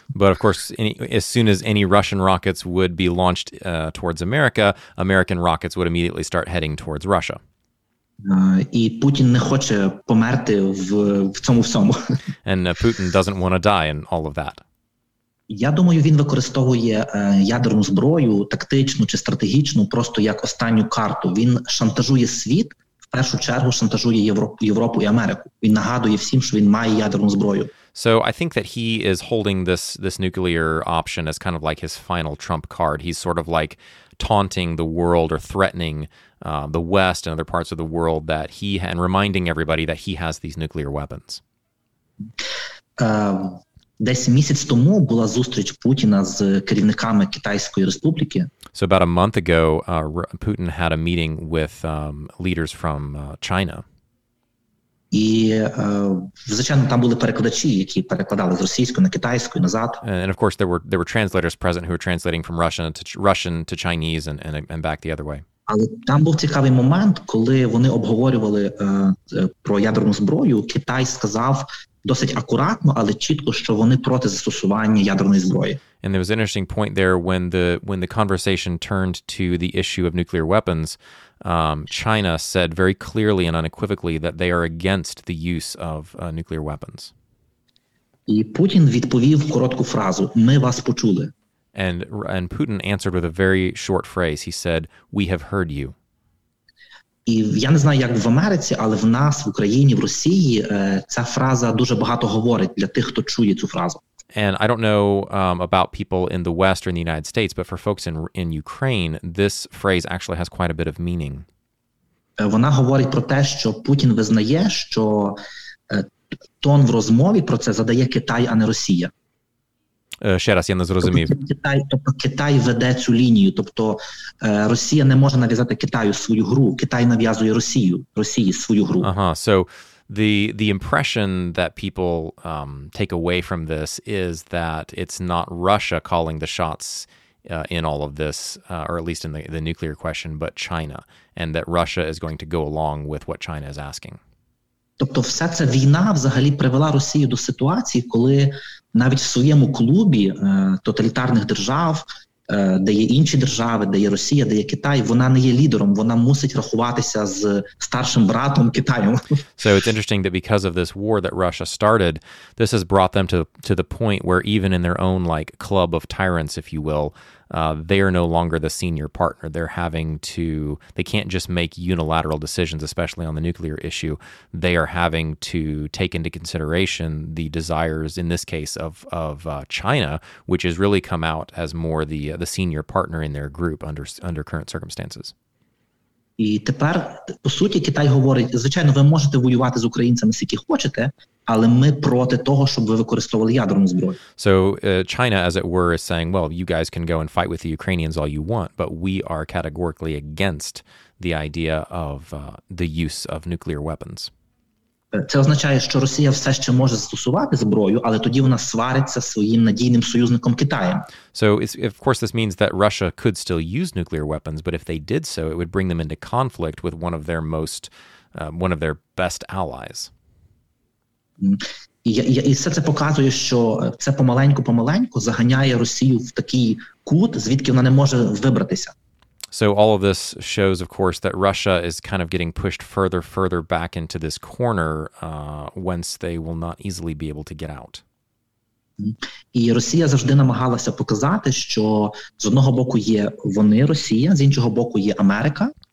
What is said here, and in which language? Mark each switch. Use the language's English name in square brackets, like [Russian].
[English] But of course, as soon as any Russian rockets would be launched towards America, American rockets would immediately start heading towards Russia. [Ukrainian] І Путін не хоче померти в цьому всьому. [English] And Putin doesn't want to die in all of that. [Ukrainian] Я думаю, він використовує ядерну зброю, тактичну чи стратегічну, просто як останню карту. Він шантажує світ. В першу чергу шантажує Європу і Америку. Він нагадує всім, що він має ядерну зброю. [English] So I think that he is holding this nuclear option as kind of like his final trump card. He's sort of like taunting the world or threatening the West and other parts of the world that he and reminding everybody that he has these nuclear weapons. [Ukrainian] Десь місяць тому була зустріч Путіна з керівниками Китайської Республіки. [English] So about a month ago, Putin had a meeting with leaders from China. [Ukrainian] І, звичайно, там були перекладачі, які перекладали з російської на китайську і назад. [English] And of course, there were translators present who were translating from Russian to Chinese and back the other way. [Ukrainian] Але там був цікавий момент, коли вони обговорювали про ядерну зброю, Китай сказав досить акуратно, але чітко, що вони проти застосування ядерної зброї. [English] And there was an interesting point there when the conversation turned to the issue of nuclear weapons, China said very clearly and unequivocally that they are against the use of nuclear weapons. [Ukrainian] І Путін відповів коротку фразу: "Ми вас почули". [English] And Putin answered with a very short phrase. He said, "We have heard you." [Ukrainian] І я не знаю, як в Америці, але в нас, в Україні, в Росії, ця фраза дуже багато говорить для тих, хто чує цю фразу. [English] And I don't know about people in the West or in the United States, but for folks in Ukraine, this phrase actually has quite a bit of meaning. [Ukrainian] Вона говорить про те, що Путін визнає, що тон в розмові про це задає Китай, а не Росія. Ще раз, я не зрозумів. Китай веде цю лінію, тобто Росія не може нав'язати Китаю свою гру, Китай нав'язує Росії свою гру. [English] Ага, so the impression that people take away from this is that it's not Russia calling the shots in all of this, or at least in the nuclear question, but China, and that Russia is going to go along with what China is asking. [Ukrainian] Тобто вся ця війна взагалі привела Росію до ситуації, коли навіть в своєму клубі тоталітарних держав де є інші держави, де є Росія, де є Китай, вона не є лідером, вона мусить рахуватися з старшим братом Китаєм. [English] So it's interesting that because of this war that Russia started, this has brought them to the point where even in their own like club of tyrants, if you will, they are no longer the senior partner. They're having to, they can't just make unilateral decisions, especially on the nuclear issue. They are having to take into consideration the desires, in this case, of China, which has really come out as more the senior partner in their group under current circumstances. [Ukrainian] І тепер, по суті, Китай говорить, звичайно, ви можете воювати з українцями, скільки хочете, але ми проти того, щоб ви використовували ядерну зброю. [English] So China, as it were, is saying, well, you guys can go and fight with the Ukrainians all you want, but we are categorically against the idea of the use of nuclear weapons. [Ukrainian] Це означає, що Росія все ще може застосувати зброю, але тоді вона свариться своїм надійним союзником Китаєм. [English] So, of course, this means that Russia could still use nuclear weapons, but if they did so, it would bring them into conflict with one of their most, one of their best allies. [Ukrainian] І все це показує, що це помаленьку-помаленьку заганяє Росію в такий кут, звідки вона не може вибратися. [English] So all of this shows, of course, that Russia is kind of getting pushed further back into this corner whence they will not easily be able to get out. [Ukrainian] І Росія завжди намагалася показати, що з одного боку є вони, Росія, з іншого боку є Америка.